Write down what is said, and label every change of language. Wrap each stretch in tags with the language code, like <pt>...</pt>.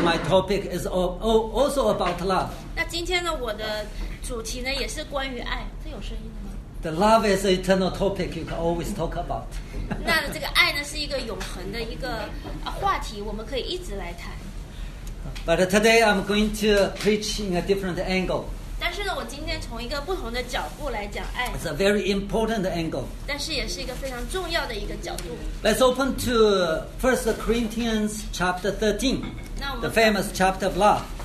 <en>Actually, today my topic is also about love.</en> <zh>那今天呢，我的主题呢也是关于爱。</zh> <en>The love is an eternal topic you can always talk about.</en> <zh>那这个爱呢是一个永恒的一个话题，我们可以一直来谈。</zh> <en>But today I'm going to preach in a different angle.</en> <zh>但是呢，我今天从一个不同的角度来讲爱。</zh> <en>It's a very important angle.</en> <zh>但是也是一个非常重要的一个角度。</zh> <en>Let's open to 1 Corinthians chapter 13, the famous chapter of love.</en>